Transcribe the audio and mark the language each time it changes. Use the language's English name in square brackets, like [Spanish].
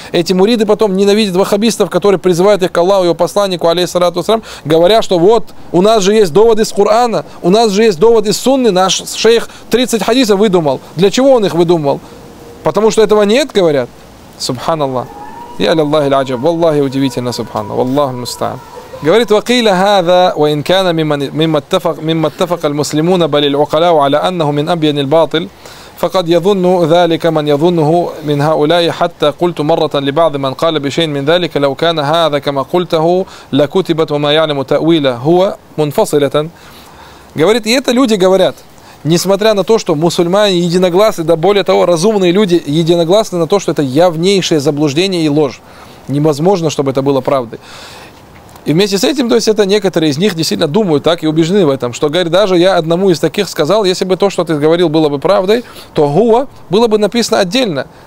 [Russian] Эти муриды потом ненавидят ваххабистов, которые призывают их к Аллаху, его посланнику, алейхиссалату вассалям, говоря, что вот, у нас же есть довод из Корана, у нас же есть довод из Сунны, наш шейх 30 хадисов выдумал. Для чего он их выдумал? Потому что этого нет, говорят. Субханаллах. Я лиллахи л'аджаб. Валлахи удивительно, субханна. Валлаху мустаан. [Arabic] Говорит, وقيل هذا وإن كان مما اتفق المسلمون بل العقلاء على أنه من أبين الباطل فقد يظن ذلك من يظنه من هؤلاء حتى قلت مرة لبعض من قال بشيء من ذلك لو كان هذا كما قلته لكتبت وما يعلم تأويله هو منفصلة. [Russian] Говорит, и это люди говорят, несмотря на то, что мусульмане единогласны, да более того, разумные люди единогласны на то, что это явнейшее заблуждение и ложь. Невозможно, чтобы это было правдой. И вместе с этим, то есть это некоторые из них действительно думают так и убеждены в этом, что, говорит, даже я одному из таких сказал, если бы то, что ты говорил, было бы правдой, то «хуа» было бы написано отдельно.